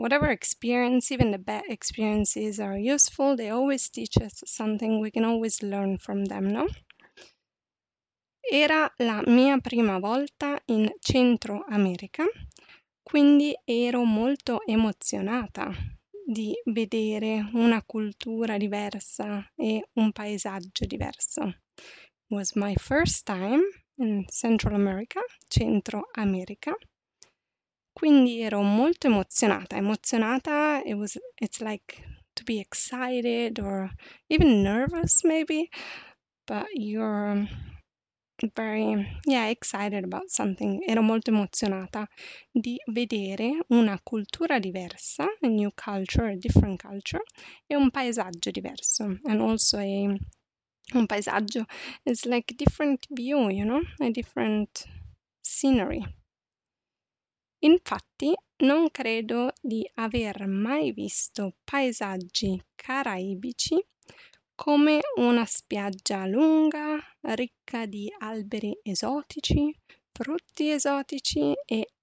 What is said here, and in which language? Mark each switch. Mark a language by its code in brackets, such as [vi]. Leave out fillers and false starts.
[en] Whatever experience, even the bad experiences are useful, they always teach us something, we can always learn from them, no? [it] Era la mia prima volta in Centro America, quindi ero molto emozionata di vedere una cultura diversa e un paesaggio diverso. [en] It was my first time in Central America, [it] Centro America, quindi ero molto emozionata. [en] Emozionata, it's like to be excited or even nervous maybe, but you're... excited about something. [it] Ero molto emozionata di vedere una cultura diversa, [en] a new culture, a different culture, [it] e un paesaggio diverso. [en] And also un paesaggio is like a different view, you know, a different scenery. [it] Infatti, non credo di aver mai visto paesaggi caraibici come una spiaggia lunga, ricca di alberi esotici, frutti esotici e